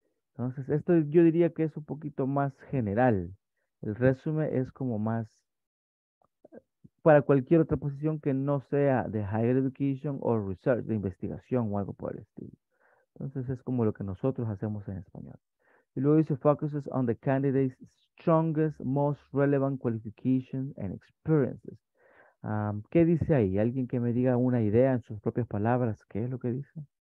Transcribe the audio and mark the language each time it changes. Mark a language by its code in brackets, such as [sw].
[es] Entonces, esto yo diría que es un poquito más general. El resumen es como más para cualquier otra posición que no sea de higher education o research, de investigación o algo por el estilo. Entonces, es como lo que nosotros hacemos en español. [en] Y luego dice, focuses on the candidate's strongest, most relevant qualifications and experiences. [es] ¿Qué dice ahí? ¿Alguien que me diga una idea en sus propias palabras? ¿Qué es lo que dice?